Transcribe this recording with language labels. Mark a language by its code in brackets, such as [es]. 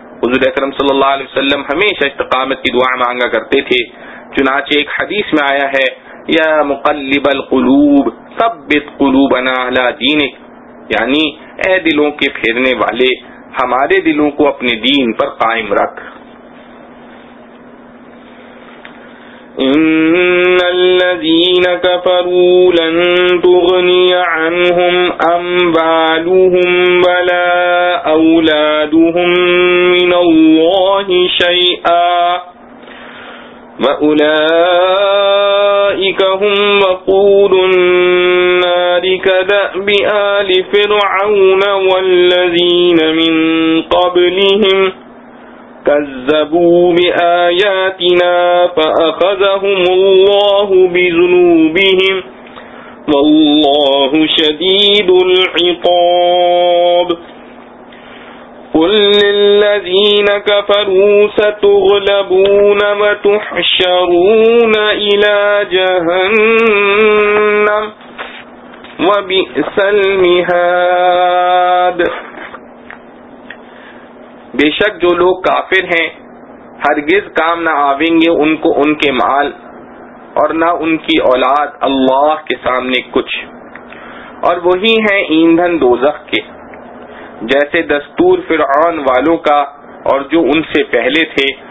[ur] حضور اکرم صلی اللہ علیہ وسلم ہمیشہ استقامت کی دعا مانگا کرتے تھے. چنانچہ ایک حدیث میں آیا ہے, [ar] یا مقلب القلوب ثبت قلوبنا علی دینک, [ur] یعنی اے دلوں کے پھیرنے والے, ہمارے دلوں کو اپنے دین پر قائم رکھ. [ar] ان الذين كفروا لن تغني عنهم اموالهم ولا اولادهم من الله شيئا واولئك هم وقود النار كدأب آل فرعون والذين من قبلهم كذبوا بآياتنا فأخذهم الله بذنوبهم والله شديد العقاب. قل للذين كفروا ستغلبون وتحشرون إلى جهنم وبئس المهاد. [ur] بے شک جو لوگ کافر ہیں ہرگز کام نہ آویں گے ان کو ان کے مال اور نہ ان کی اولاد اللہ کے سامنے کچھ, اور وہی ہیں ایندھن دوزخ کے, جیسے دستور فرعون والوں کا اور جو ان سے پہلے تھے.